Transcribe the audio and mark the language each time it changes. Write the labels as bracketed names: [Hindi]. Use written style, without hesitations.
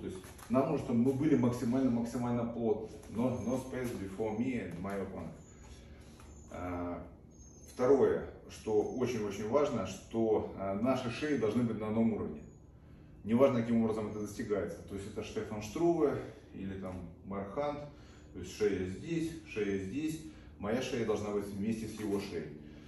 [Russian] То есть нам нужно, чтобы мы были максимально плотно. [English] No space before me and my opponent. [Russian] Второе, что очень-очень важно, что наши шеи должны быть на одном уровне. Неважно, каким образом это достигается. То есть это Штефан Штруве или там Марк Хант. То есть шея здесь. Моя шея должна быть вместе с его шеей.